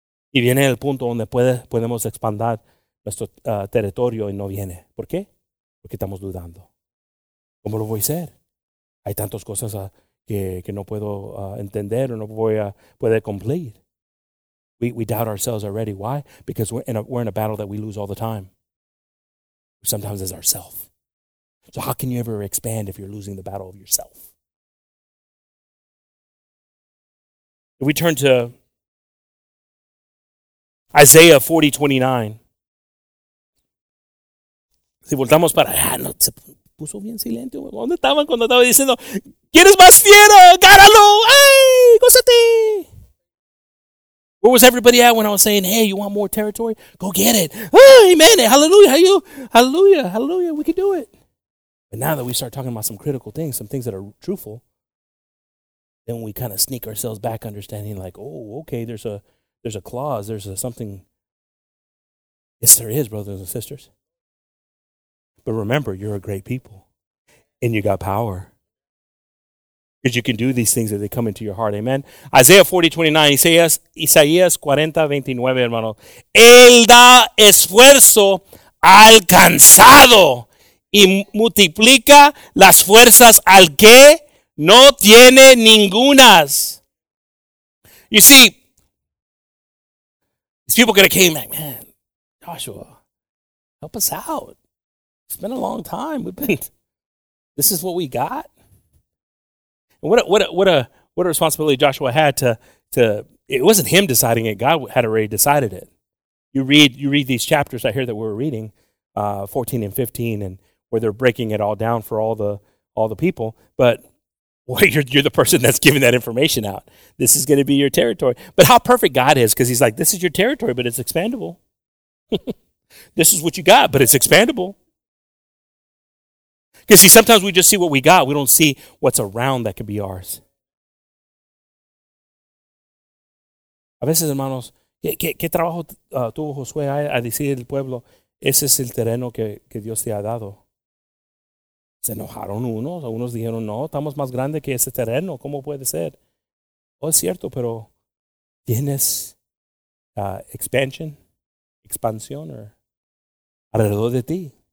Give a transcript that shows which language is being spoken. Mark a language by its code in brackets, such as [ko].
[es] Y viene el punto donde podemos expandir nuestro territorio y no viene. ¿Por qué? Porque estamos dudando. ¿Cómo lo voy a hacer? Hay tantas cosas que no puedo entender o no voy a poder cumplir. [en] We doubt ourselves already. Why? Because we're in a battle that we lose all the time. Sometimes it's ourself. So how can you ever expand if you're losing the battle of yourself? If we turn to Isaiah 40:29. [es] Si voltamos para allá, no se puso bien silencio. ¿Dónde estaban cuando estaba diciendo, ¿quieres más fiero? ¡Gáralo! ¡Ay! ¡Gózate! [en] Where was everybody at when I was saying, hey, you want more territory? Go get it. Amen. Hallelujah. Hallelujah. Hallelujah. We can do it. But now that we start talking about some critical things, some things that are truthful, then we kind of sneak ourselves back understanding like, oh, okay, there's a clause. There's a something. Yes, there is, brothers and sisters. But remember, you're a great people. And you got power. Because you can do these things as they come into your heart. Amen. Isaiah 40:29. [es] Isaías 40:29, hermano. Él da esfuerzo al cansado y multiplica las fuerzas al que no tiene ningunas. [en] You see, these people could have came like, man, Joshua, help us out. It's been a long time. This is what we got. What a responsibility Joshua had to it wasn't him deciding it. God had already decided it. You read these chapters right here that we're reading, 14 and 15, and where they're breaking it all down for all the people. But well, you're the person that's giving that information out. This is going to be your territory. But how perfect God is, because he's like, this is your territory, but it's expandable. This is what you got, but it's expandable. Because, see, sometimes we just see what we got. We don't see what's around that could be ours. [es] A veces, hermanos, ¿qué trabajo tuvo Josué a decir al pueblo? Ese es el terreno que Dios te ha dado. Se enojaron unos. Algunos dijeron, no, estamos más grandes que ese terreno. ¿Cómo puede ser? Oh, es cierto, pero tienes expansión alrededor de ti.